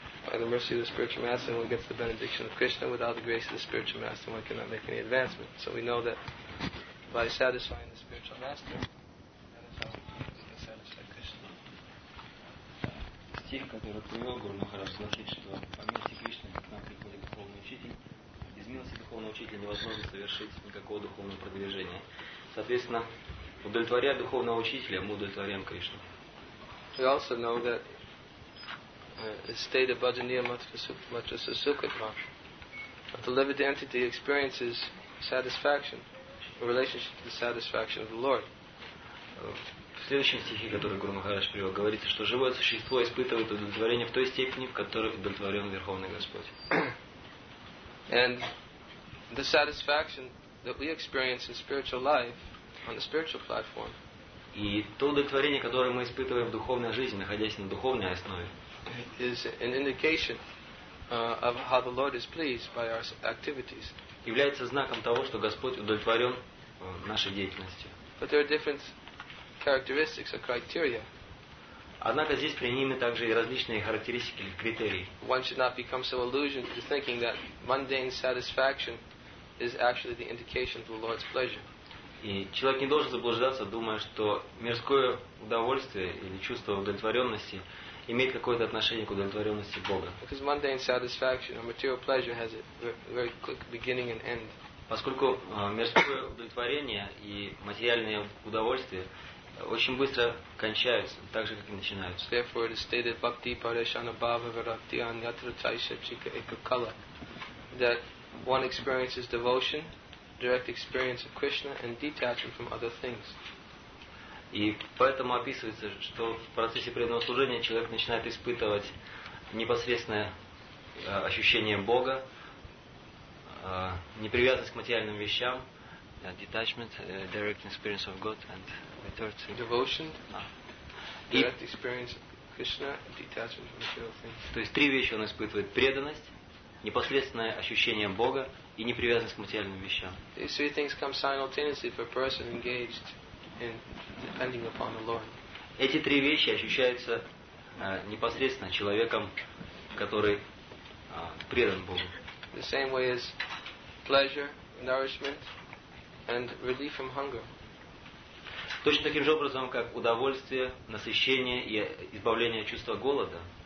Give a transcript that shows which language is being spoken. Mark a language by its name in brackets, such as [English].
[English] by the mercy of the spiritual master, one gets the benediction of Krishna. Without the grace of the spiritual master, one cannot make any advancement. So we know that by satisfying the spiritual master, that is how we can satisfy Krishna. [Russian] Стих, который привел Гуру Махарадж, значит, что по милости Кришны к нам приходит духовный учитель. Без милости духовного учителя невозможно совершить никакого духовного продвижения. Соответственно, удовлетворяя духовного учителя, мы удовлетворяем Кришну. [English] We also know that the state of Bhajaniya Matrasa Sukhadvash, that the liberated entity experiences satisfaction in relationship to the satisfaction of the Lord. [Russian] В следующем стихе, который Гуру Махарадж привел, говорится, что живое существо испытывает удовлетворение в той степени, в которой удовлетворен Верховный Господь. [English] And the satisfaction that we experience in spiritual life on the spiritual platform. [Russian] И то удовлетворение, которое мы испытываем в духовной жизни, находясь на духовной основе, [English] is an indication of how the Lord is pleased by our activities. [Russian] Является знаком того, что Господь удовлетворен нашей деятельностью. [English] But there are different characteristics or criteria. [Russian] Однако здесь применены также и различные характеристики или критерии. [English] One should not become so illusioned to thinking that mundane satisfaction is actually the indication of the Lord's pleasure. [Russian] И человек не должен заблуждаться, думая, что мирское удовольствие или чувство удовлетворенности имеет какое-то отношение к удовлетворенности Бога. [English] Because mundane satisfaction or material pleasure has a very quick beginning and end. [Russian] Поскольку мирское удовлетворение и материальное удовольствие очень быстро кончаются, так же как и начинаются. [English] Therefore, it is stated [Sanskrit] bhakti parishana bhava virakti anyatra taisha chika ekakala, [English] that one experiences devotion, direct experience of Krishna, and detachment from other things. [Russian] И поэтому описывается, что в процессе преданного служения человек начинает испытывать непосредственное ощущение Бога, непривязанность к материальным вещам, [English] detachment, direct experience of God, and return to devotion, direct experience of Krishna, and detachment from material things. [Russian] То есть три вещи он испытывает: преданность, непосредственное ощущение Бога и непривязанность к материальным вещам. [English] These three things come simultaneously for a person engaged in depending upon the Lord. [Russian] Эти три вещи ощущаются непосредственно человеком, который предан Богу. [English] The same way as pleasure, nourishment, and relief from hunger. [Russian] Точно таким же образом, как удовольствие, насыщение и избавление от чувства голода.